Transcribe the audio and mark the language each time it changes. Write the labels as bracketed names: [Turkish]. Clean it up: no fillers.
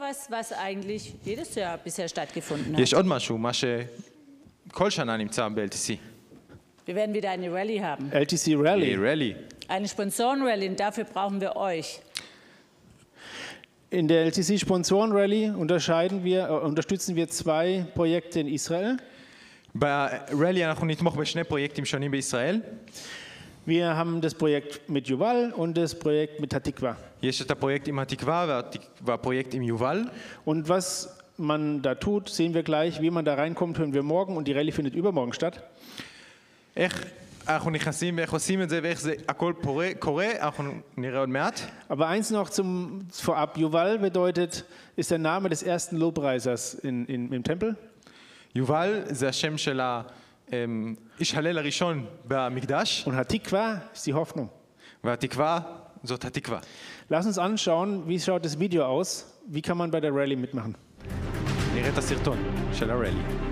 [German] Was eigentlich jedes Jahr bisher stattgefunden hat. [Hebrew] יש עוד משהו, מה שכל שנה נמצא ב-LTC. [German] Wir werden wieder eine Rally haben. LTC Rally. Hey, Rally. Eine Sponsoren-Rally und dafür brauchen wir euch. In der LTC Sponsoren-Rally unterstützen wir zwei Projekte in Israel. [Hebrew] ב-Rally אנחנו נתמוך בשני פרויקטים שונים בישראל. [German] Wir haben das Projekt mit Yuval und das Projekt mit Hatikva. Hier ist das Projekt im Hatikva, das Projekt im Yuval. Und was man da tut, sehen wir gleich, wie man da reinkommt, hören wir morgen und die Rallye findet übermorgen statt. [Hebrew] Ich אנחנו נכנסים ואיך עושים את זה ואיך זה הכל קורה, אנחנו נראה עוד מעט. [German] Aber eins noch zum vorab, Yuval bedeutet, ist der Name des ersten Lobpreisers im Tempel. [Hebrew] Yuval זה השם של ה... איש הלל הראשון במקדש. [German] והתקווה, ist die Hoffnung. [Hebrew] והתקווה, זאת התקווה. [German] Lass uns anschauen, wie schaut das Video aus? Wie kann man bei der Rally mitmachen? [Hebrew] נראה את הסרטון של הרלי.